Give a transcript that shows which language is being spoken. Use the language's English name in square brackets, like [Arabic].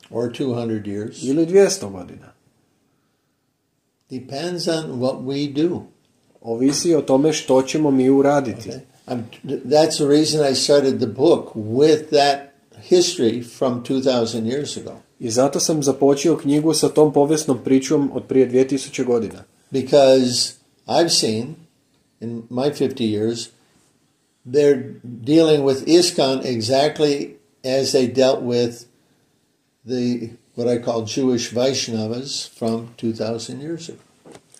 [English] Or 200 years? [Croatian] Ili 200 godina? [English] Depends on what we do. [Croatian] Ovisi o tome što ćemo mi uraditi. [English] Okay. That's the reason I started the book with that history from 2000 years ago. [Croatian] I zato sam započeo knjigu sa tom povijesnom pričom od prije 2000 godina. [English] Because I've seen in my 50 years they're dealing with ISKCON exactly as they dealt with the what I call Jewish Vaishnavas from 2000 years ago.